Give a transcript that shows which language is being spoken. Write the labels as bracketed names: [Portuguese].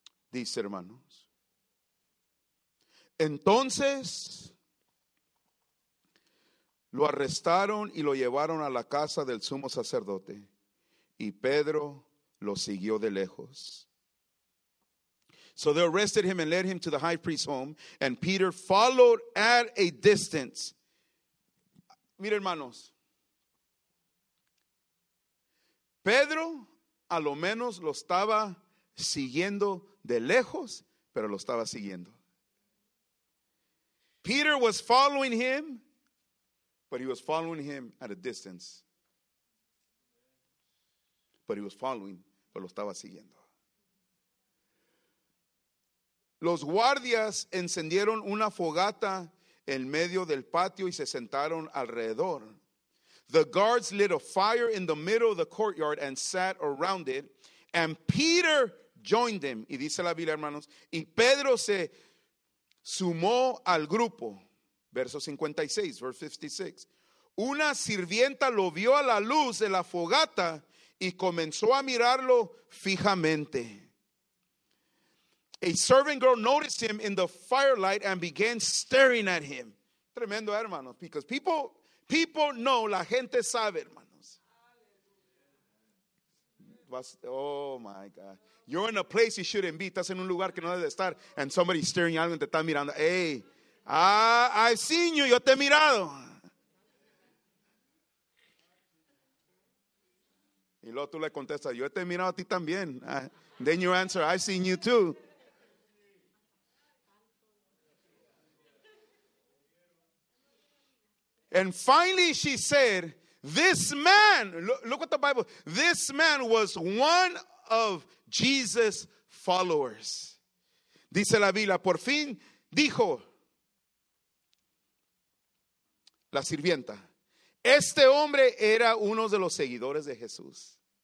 [Spanish] Dice, hermanos. Entonces lo arrestaron y lo llevaron a la casa del sumo sacerdote. Y Pedro lo siguió de lejos. [English] So they arrested him and led him to the high priest's home. And Peter followed at a distance. [Spanish] Mira, hermanos. Pedro a lo menos lo estaba siguiendo de lejos, pero lo estaba siguiendo. [English] Peter was following him, but he was following him at a distance. But he was following, [Spanish] pero lo estaba siguiendo. Los guardias encendieron una fogata en medio del patio y se sentaron alrededor. [English] The guards lit a fire in the middle of the courtyard and sat around it. And Peter joined them. [Spanish] Y dice la Biblia, hermanos. Y Pedro se sumó al grupo. Verso 56, verse 56. Una sirvienta lo vio a la luz de la fogata y comenzó a mirarlo fijamente. [English] A servant girl noticed him in the firelight and began staring at him. [Spanish] Tremendo, hermanos. [English] Because people know, [Spanish] la gente sabe, hermanos. [English] Oh, my God. You're in a place you shouldn't be. [Spanish] Estás en un lugar que no debes estar. [English] And somebody's staring at you and [Spanish] te está mirando. [English] Hey, I've seen you. [Spanish] Yo te he mirado. Y luego tú le contestas, yo te he mirado a ti también. [English] Then you answer, I've seen you too. And finally she said, this man, look what the Bible, this man was one of Jesus' followers. [Spanish] Dice la Biblia, por fin dijo la sirvienta, este hombre era uno de los seguidores de Jesús.